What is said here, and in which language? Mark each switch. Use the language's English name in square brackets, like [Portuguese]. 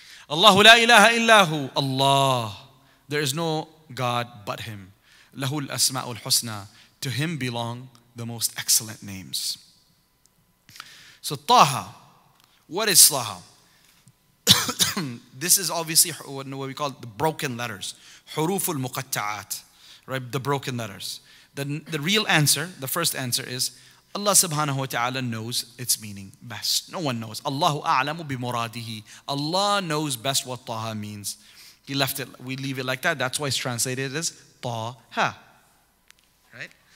[Arabic] اللَّهُ لَا إِلَهَ إِلَّهُ, [English] Allah, there is no God but Him. [Arabic] لَهُ الْأَسْمَاءُ الْحُسْنَى, [English] to Him belong the most excellent names. So طه, what is طه? This is obviously what we call the broken letters. [Arabic] حُرُوفُ الْمُقَتَّعَاتِ, right? [English] The broken letters. The real answer, the first answer is, Allah subhanahu wa ta'ala knows its meaning best. No one knows. [Arabic] اللَّهُ أَعْلَمُ بِمُرَادِهِ, [English] Allah knows best what طه means. He left it, we leave it like that. That's why it's translated as Ta-ha. Right?